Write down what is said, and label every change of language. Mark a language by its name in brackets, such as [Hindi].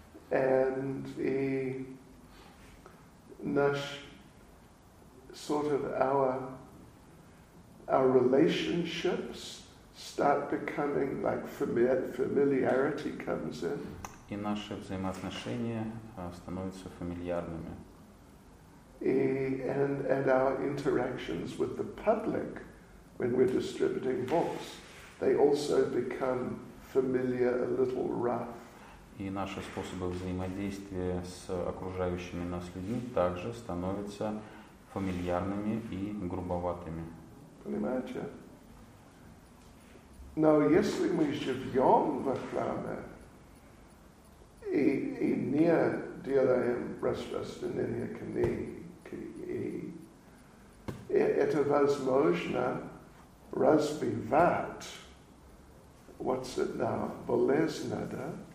[English] And [Russian] и наш [English] sort of our relationships start becoming like familiarity comes in. [Russian] И наши взаимоотношения становятся фамильярными. [English] And our interactions with the public when we're distributing books, they also become familiar, a little rough. [Russian] И наши способы взаимодействия с окружающими нас людьми также становятся фамильярными и грубоватыми. Понимаете? Но если мы живем в храме и не делаем распространение книги, это возможно развивать, [English] what's it now, [Russian] болезнь, да?